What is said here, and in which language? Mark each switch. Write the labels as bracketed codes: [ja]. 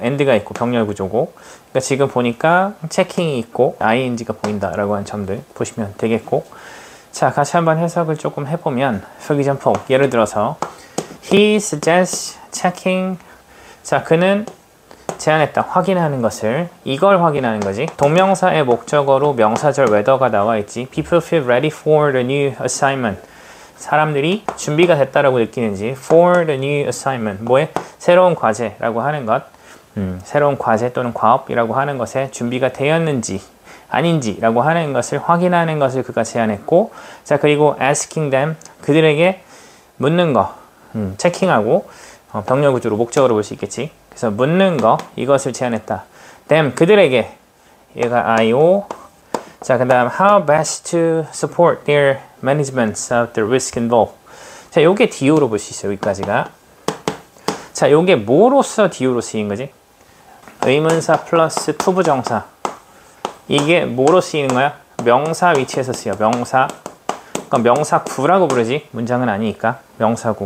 [ko] and가 있고 병렬 구조고. 그러니까 지금 보니까 checking이 있고 ing가 보인다라고 하는 점들 보시면 되겠고. 자, 같이 한번 해석을 조금 해보면, [en] for example, [ko] 예를 들어서 [en] he suggests checking. [ko] 자, 그는 제안했다. 확인하는 것을. 이걸 확인하는 거지. 동명사의 목적어로 명사절 whether가 나와있지. [en] People feel ready for the new assignment. [ko] 사람들이 준비가 됐다라고 느끼는지. [en] For the new assignment. [ko] 뭐에? 새로운 과제라고 하는 것. 새로운 과제 또는 과업이라고 하는 것에 준비가 되었는지 아닌지라고 하는 것을 확인하는 것을 그가 제안했고. 자, 그리고 [en] asking them. [ko] 그들에게 묻는 거. 체킹하고. 병렬구조로 목적으로 볼 수 있겠지. 그래서 묻는 거, 이것을 제안했다. them, 그들에게. 얘가 I-O. 자, 그 다음 [en] how best to support their management of the risk involved. [ko] 자, 요게 DO로 볼 수 있어요. 여기까지가. 자, 요게 뭐로서 DO로 쓰인 거지? 의문사 플러스 to 부정사. 이게 뭐로 쓰이는 거야? 명사 위치에서 쓰여. 명사. 그러니까 명사구라고 부르지. 문장은 아니니까. 명사구.